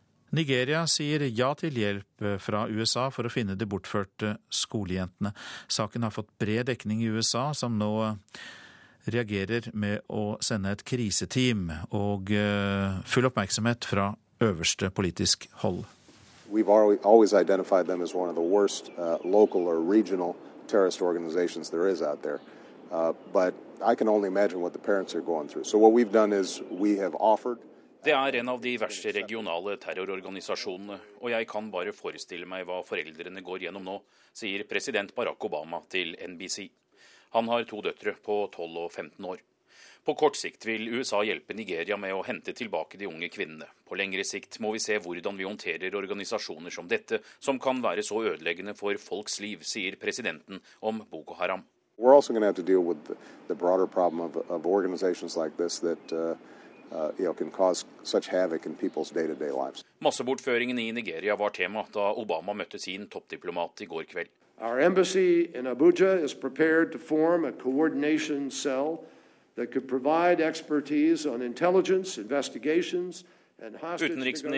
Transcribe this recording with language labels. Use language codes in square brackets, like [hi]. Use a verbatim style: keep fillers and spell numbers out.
[no] Nigeria sier ja til hjelp fra U S A for å finne de bortførte skolejentene. Saken har fått bred dekning i U S A, som nå reagerer med å sende et kriseteam og full oppmerksomhet fra øverste politisk hold. [en] We've always identified them as one of the worst uh, local or regional terrorist organizations there is out there. Uh, but I can only imagine what the parents are going through. So what we've done is we have offered... [no] Det er en av de verste regionale terrororganisasjonene, og jeg kan bare forestille meg hva foreldrene går gjennom nå, sier president Barack Obama til N B C. Han har to døtre på tolv og femten år. På kort sikt vil U S A hjelpe Nigeria med å hente tilbake de unge kvinnene. På lengre sikt må vi se hvordan vi håndterer organisasjoner som dette, som kan være så ødeleggende for folks liv, sier presidenten om Boko Haram. [en] We're also going to have to deal with the broader problem of, of organizations like this that uh, uh, you know, can cause such havoc in people's day-to-day lives. [no] Massebortføringen i Nigeria var tema da Obama møtte sin toppdiplomat i går kveld. [en] Our embassy in Abuja is prepared to form a coordination cell that could provide expertise on intelligence, investigations and hostage negotiations.